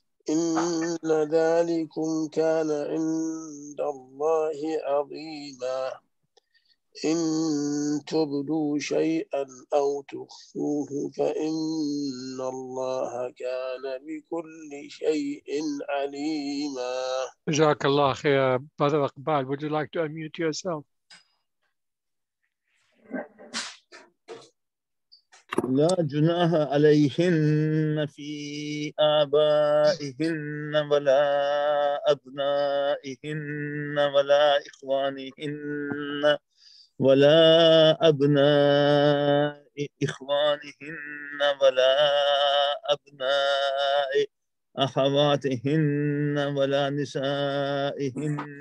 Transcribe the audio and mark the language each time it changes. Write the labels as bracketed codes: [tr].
[ar] إن ذلكم كان عند الله عظيما إن تبدوا شيئا أو تخفوه فإن الله كان بكل شيء عليما. جزاك الله خير. [en] Brother Iqbal, would you like to unmute yourself? [ar] لا جناح عليهن في آبائهن ولا أبنائهن ولا إخوانهن ولا أبناء إخوانهن ولا أبناء أخواتهن ولا نسائهن